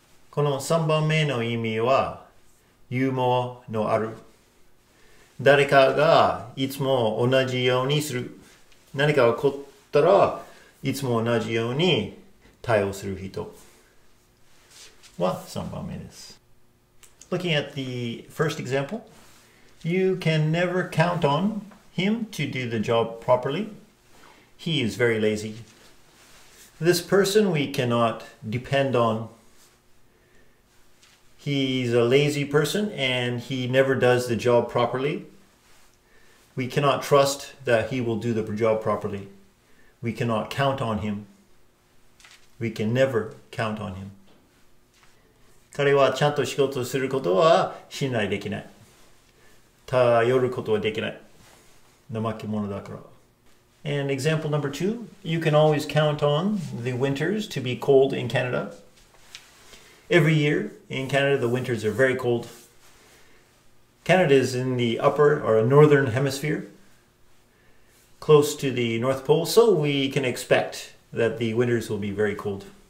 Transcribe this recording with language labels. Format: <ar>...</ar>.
<ja>この3番目の意味は、ユーモアのある。誰かがいつも同じようにする。何か起こったらいつも同じように対応する人は3番目です。</ja> <en>Looking at the first example, you can never count on him to do the job properly. He is very lazy. This person we cannot depend on. He's a lazy person and he never does the job properly. We cannot trust that he will do the job properly. We cannot count on him. We can never count on him.</en> <ja>彼はちゃんと仕事をすることは信頼できない。頼ることはできない。怠け者だから。</ja> <en>And example number two, you can always count on the winters to be cold in Canada. Every year in Canada, the winters are very cold. Canada is in the upper or northern hemisphere, close to the North Pole, so we can expect that the winters will be very cold.</en>